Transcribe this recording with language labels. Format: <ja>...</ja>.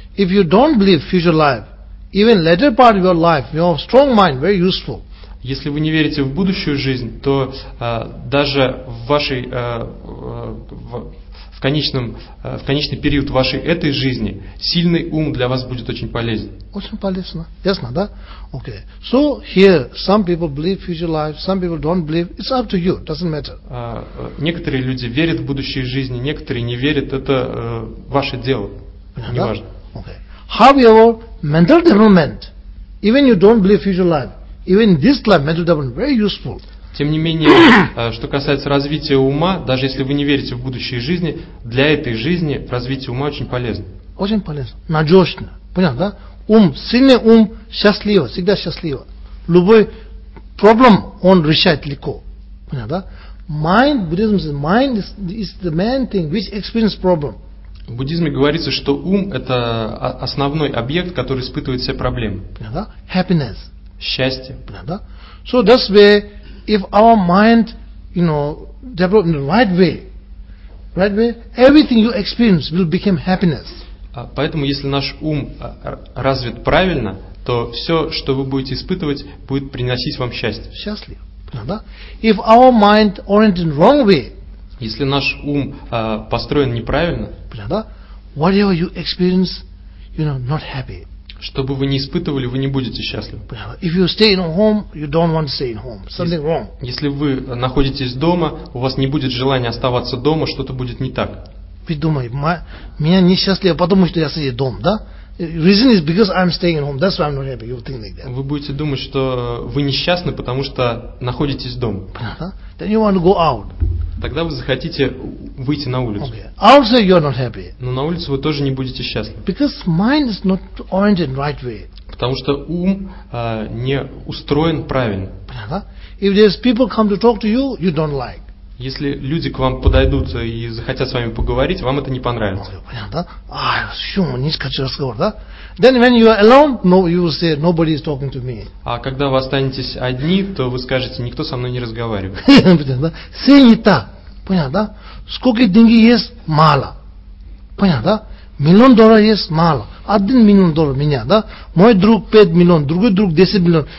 <en>If you don't believe future life, even later part of your life, your strong mind very useful.</en> <ru>Если вы не верите в будущую жизнь, то даже в вашей в конечный период вашей этой жизни сильный ум для вас будет очень полезен. Очень полезно. Ясно, да?</ru> <en>Okay. So here some people believe future life, some people don't believe. It's up to you. Doesn't matter.</en> <ru>Некоторые люди верят в будущие жизни, некоторые не верят. Это ваше дело. Неважно.</ru> <en>Okay. However, mental development, even you don't believe future life, even this life mental development very useful.</en> <ru>Тем не менее, что касается развития ума, даже если вы не верите в будущие жизни, для этой жизни развитие ума очень полезно. Очень полезно. Надежно. Понятно, да? Ум, сильный ум, счастливо, всегда счастливо. Любой проблем он решает легко. Понятно, да?</ru> <en>Mind, Buddhism says, mind is the main thing which experiences problem.</en> <ru>В буддизме говорится, что ум – это основной объект, который испытывает все проблемы. Понятно, да?</ru> <en>Happiness.</en> <ru>Счастье. Понятно, да?</ru> <en>So that's where if our mind, you know, develop in the right way, everything you experience will become happiness.</en> <ru>Поэтому, если наш ум развит правильно, то все, что вы будете испытывать, будет приносить вам счастье. Счастье. Да?</ru> <en>If our mind oriented in wrong way,</en> <ru>если наш ум построен неправильно, да?</ru> <en>Whatever you experience, you know, not happy.</en> <ru>Что бы вы ни испытывали, вы не будете счастливы.</ru> <en>If you stay in home, you don't want to stay in home. Something wrong.</en> <ru>Если вы находитесь дома, у вас не будет желания оставаться дома, что-то будет не так. Ведь думай, меня несчастливо, потому что я сижу дома, да?</ru> <en>Reason is because I'm staying in home. That's why I'm not happy. You think like that.</en> <ru>Вы будете думать, что вы несчастны, потому что находитесь дома.</ru> <en>Then you want to go out.</en> <ru>Тогда вы захотите выйти на улицу.</ru> <en>Okay. Outside you're not happy.</en> <ru>Но на улице вы тоже не будете счастливы.</ru> <en>Because mind is not oriented right way.</en> <ru>Потому что ум не устроен правильно.</ru> <en>If there's people come to talk to you, you don't like.</en> <ru>Если люди к вам подойдут и захотят с вами поговорить, вам это не понравится. Понятно? Низкий разговор, да?</ru> <en>Then when you are alone, no, you will say nobody is talking to me.</en> <ru>А когда вы останетесь одни, то вы скажете, никто со мной не разговаривает. Понятно? Все не так. Понятно? Сколько деньги есть? Мало. Понятно? Миллион долларов есть? Мало. Один миллион долларов меня, да? Мой друг 5 миллион, другой друг 10 миллион.</ru>